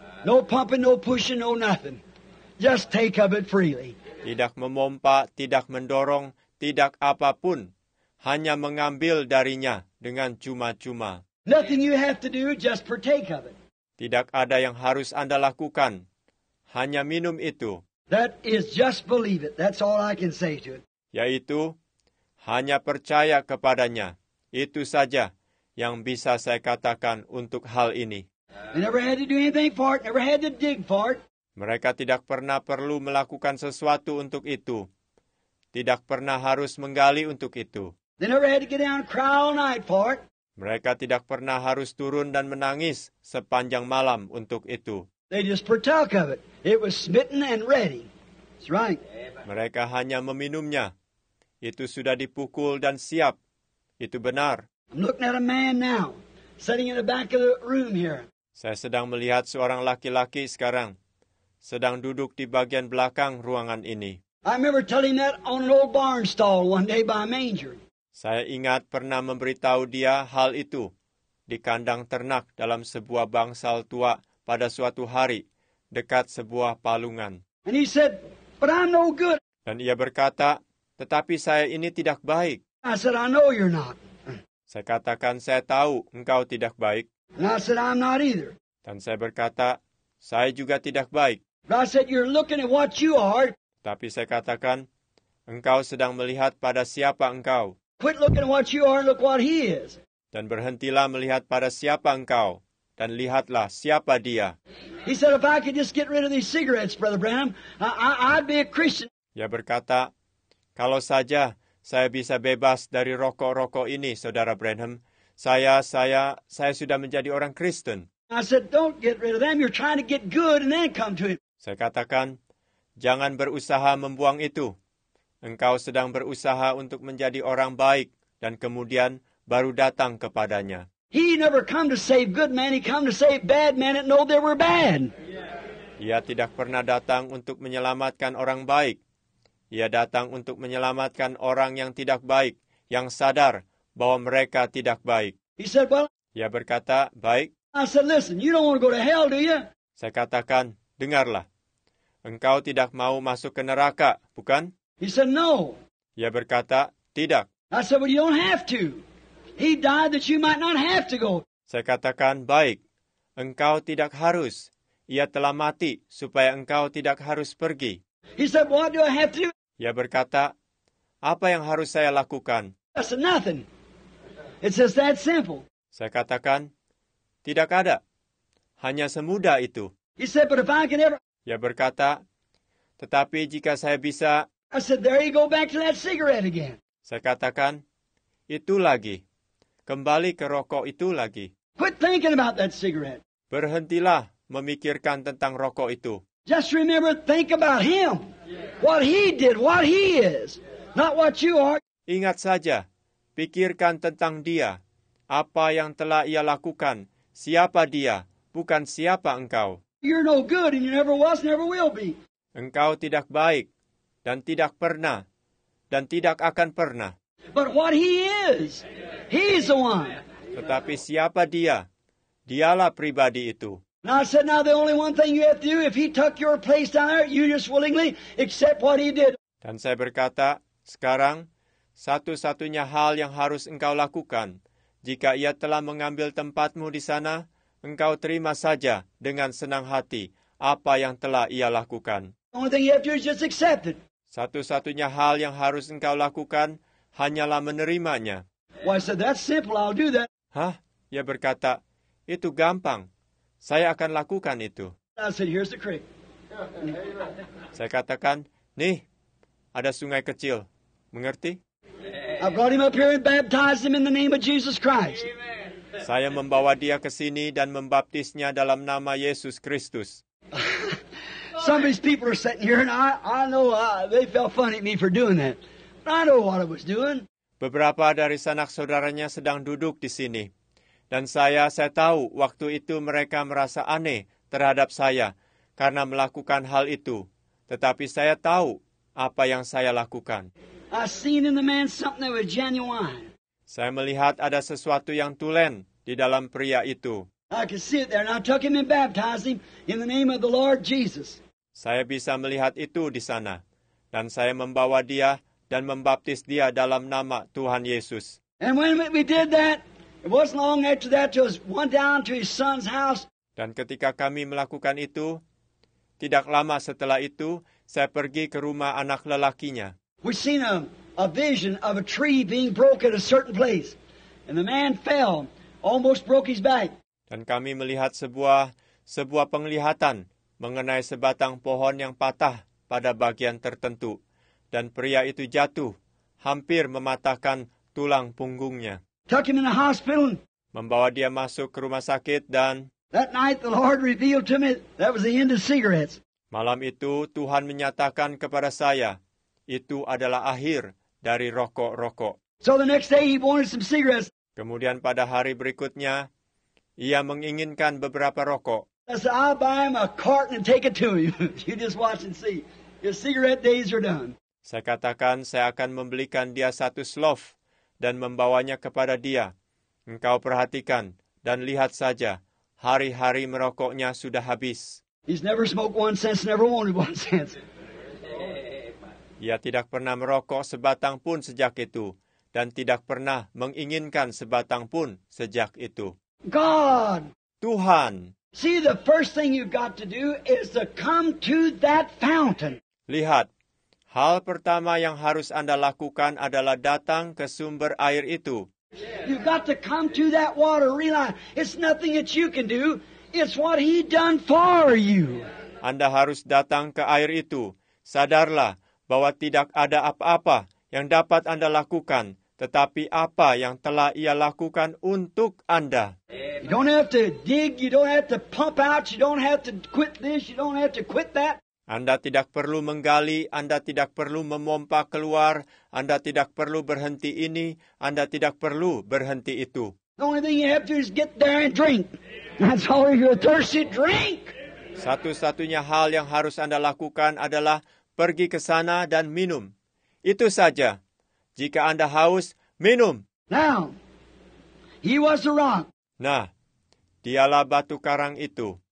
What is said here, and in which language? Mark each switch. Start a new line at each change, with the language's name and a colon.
English: No pumping, no pushing, no nothing. Just take of it freely.
Indonesian: Tidak memompa, tidak mendorong, tidak apapun. Hanya mengambil darinya dengan cuma-cuma.
English: Nothing you have to do, just partake of it.
Indonesian: Tidak ada yang harus Anda lakukan. Hanya minum itu.
English: That is just believe it. That's all I can say to it.
Indonesian: Yaitu, hanya percaya kepadanya. Itu saja yang bisa saya katakan untuk hal ini.
English: They never had to do anything for it, never had to dig for it.
Indonesian: Mereka tidak pernah perlu melakukan sesuatu untuk itu. Tidak pernah harus menggali untuk itu.
English: They never had to get down and cry all night for it.
Indonesian: Mereka tidak pernah harus turun dan menangis sepanjang malam untuk itu.
English: They just partook of it. It was smitten and ready. That's right.
Indonesian: Mereka hanya meminumnya. Itu sudah dipukul dan siap. Itu benar.
English: I'm looking at a man now, sitting in the back of the room here.
Indonesian: Saya sedang melihat seorang laki-laki sekarang, sedang duduk di bagian belakang ruangan ini.
English: I remember telling that on an old barn stall one day by a manger.
Indonesian: Saya ingat pernah memberitahu dia hal itu di kandang ternak dalam sebuah bangsal tua pada suatu hari dekat sebuah palungan.
English: And he said, "But I'm no good."
Indonesian: Dan ia berkata, "Tetapi saya ini tidak baik."
English: I said, "I know you're not."
Indonesian: Saya katakan, "Saya tahu engkau tidak baik."
English: And I said, "I'm not either."
Indonesian: Dan saya berkata, "Saya juga tidak baik."
English: But I said, "You're looking at what you are."
Indonesian: Tapi saya katakan, "Engkau sedang melihat pada siapa engkau."
English: Quit looking at what you are and look what he is.
Indonesian: Dan berhentilah melihat pada siapa engkau dan lihatlah siapa dia.
English: He said, "If I could just get rid of these cigarettes, Brother Branham, I'd be a Christian."
Indonesian: Ia berkata, "Kalau saja saya bisa bebas dari rokok-rokok ini, Saudara Branham, saya sudah menjadi orang Kristen."
English: I said, "Don't get rid of them. You're trying to get good and then come to it."
Indonesian: Saya katakan, "Jangan berusaha membuang itu. Engkau sedang berusaha untuk menjadi orang baik dan kemudian baru datang kepadanya."
English: He never come to save good men, he come to save bad men that know they were bad.
Indonesian: Ia tidak pernah datang untuk menyelamatkan orang baik. Ia datang untuk menyelamatkan orang yang tidak baik, yang sadar bahwa mereka tidak baik.
English: He said, "Well."
Indonesian: Ia berkata, "Baik."
English: I said, "Listen, you don't want to go to hell, do you?"
Indonesian: Saya katakan, "Dengarlah. Engkau tidak mau masuk ke neraka, bukan?"
English: He said, "No."
Indonesian: Ia berkata, "Tidak."
English: I said, "Well, you don't have to. He died that you might not have to go."
Indonesian: Saya katakan, "Baik. engkau tidak harus. Ia telah mati supaya engkau tidak harus pergi.
English: He said, what do I have to do?
Indonesian: Ia berkata, apa yang harus saya lakukan?
English: I said, nothing. It's just that simple.
Indonesian: Saya katakan, tidak ada. Hanya semudah itu.
English: He said, but if I can ever...
Indonesian: Ia berkata, tetapi jika saya bisa...
English: I said, there you go back to that cigarette again.
Indonesian: Saya katakan, itu lagi. Kembali ke rokok itu lagi.
English: Quit thinking about that cigarette.
Indonesian: Berhentilah memikirkan tentang rokok itu.
English: Just remember, think about him. What he did, what he is. Not what you are.
Indonesian: Ingat saja, pikirkan tentang dia. Apa yang telah ia lakukan. Siapa dia, bukan siapa engkau.
English: You're no good and you never was, never will be.
Indonesian: Engkau tidak baik dan tidak pernah dan tidak akan pernah.
English: But what he is, he is the one.
Indonesian: Tetapi siapa dia? Dialah pribadi itu.
English: Now I said, now the only one thing you have to do, if he took your place down there, you just willingly accept what he did.
Indonesian: Dan saya berkata, sekarang, satu-satunya hal yang harus engkau lakukan, jika ia telah mengambil tempatmu di sana, engkau terima saja dengan senang hati apa yang telah ia lakukan.
English: The only thing you have to do is just accept it.
Indonesian: Satu-satunya hal yang harus engkau lakukan, hanyalah menerimanya.
English: Well, I said, that's simple, I'll do that.
Indonesian: Hah? Ia berkata, itu gampang. Saya akan lakukan itu.
English: I said, here's the creek.
Indonesian: Saya katakan, nih, ada sungai kecil. Mengerti?
English: I brought him up here and baptized him in the name of Jesus Christ.
Indonesian: Saya membawa dia ke sini dan membaptisnya dalam nama Yesus Kristus.
English: Some of these people are sitting here and I know they felt funny at me for doing that. But I know what I was doing.
Indonesian: Beberapa dari sanak saudaranya sedang duduk di sini. Dan saya tahu waktu itu mereka merasa aneh terhadap saya karena melakukan hal itu. Tetapi saya tahu apa yang saya lakukan.
English: I seen in the man something that was genuine.
Indonesian: Saya melihat ada sesuatu yang tulen di dalam pria itu.
English: I could see it there and I took him and baptized him in the name of the Lord Jesus.
Indonesian: Saya bisa melihat itu di sana. Dan saya membawa dia dan membaptis dia dalam nama Tuhan Yesus.
English: And when we did that, it wasn't long after that till he went down to his son's house.
Indonesian: Dan ketika kami melakukan itu, tidak lama setelah itu, saya pergi ke rumah anak lelakinya.
English: We seen a vision of a tree being broken at a certain place. And the man fell, almost broke his back.
Indonesian: Dan kami melihat sebuah penglihatan mengenai sebatang pohon yang patah pada bagian tertentu. Dan pria itu jatuh, hampir mematahkan tulang punggungnya.
English: Took him in the hospital.
Indonesian: Membawa dia masuk ke rumah sakit dan...
English: That night the Lord revealed to me that was the end of cigarettes.
Indonesian: Malam itu Tuhan menyatakan kepada saya, itu adalah akhir dari rokok-rokok.
English: So the next day he wanted some cigarettes.
Indonesian: Kemudian pada hari berikutnya, ia menginginkan beberapa rokok.
English: I said, I'll buy him a carton and take it to him. You just watch and see. Your cigarette days are done.
Indonesian: Saya katakan saya akan membelikan dia satu slof dan membawanya kepada dia. Engkau perhatikan dan lihat saja, hari-hari merokoknya sudah habis.
English: He's never smoked one since, never wanted one since.
Indonesian: Ia tidak pernah merokok sebatang pun sejak itu dan tidak pernah menginginkan sebatang pun sejak itu.
English: God.
Indonesian: Tuhan.
English: See, the first thing you've got to do is to come to that fountain.
Indonesian: Lihat, hal pertama yang harus Anda lakukan adalah datang ke sumber air itu.
English: You've got to come to that water, realize it's nothing that you can do, it's what he done for you.
Indonesian: Anda harus datang ke air itu. Sadarlah bahwa tidak ada apa-apa yang dapat Anda lakukan, tetapi apa yang telah ia lakukan untuk Anda.
English: You don't have to dig, you don't have to pump out, you don't have to quit this, you don't have to quit that.
Indonesian: Anda tidak perlu menggali, Anda tidak perlu memompa keluar, Anda tidak perlu berhenti ini, Anda tidak perlu berhenti itu.
English: The only thing you have to do is get there and drink. That's all you're thirsty, drink.
Indonesian: Satu-satunya hal yang harus Anda lakukan adalah pergi ke sana dan minum. Itu saja. Jika Anda haus, minum.
English: Now, he was the rock.
Indonesian: Nah, dialah batu karang itu.